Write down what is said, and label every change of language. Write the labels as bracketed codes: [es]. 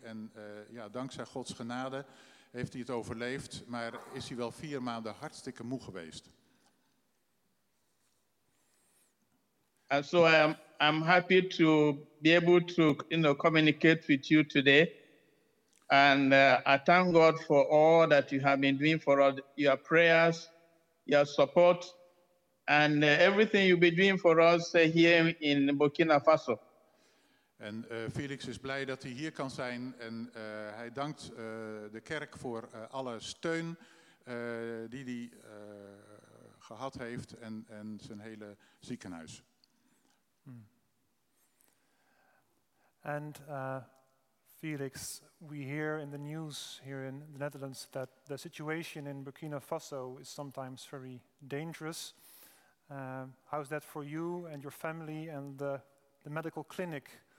[nl] En ja, dankzij Gods genade heeft hij het overleefd, maar is hij wel 4 maanden hartstikke moe geweest. [en] And so I'm happy to be able to, you know, communicate with you today. And I thank God for all that you have been doing, for all your prayers, your support, and everything you've been doing for us here in Burkina Faso. [nl] En Felix is blij dat hij hier kan zijn en hij dankt de kerk voor alle steun die hij gehad heeft en zijn hele ziekenhuis. [en] And Felix, we hear in the news here in the Netherlands that the situation in Burkina Faso is sometimes very dangerous. How's that for you and your family and the medical clinic?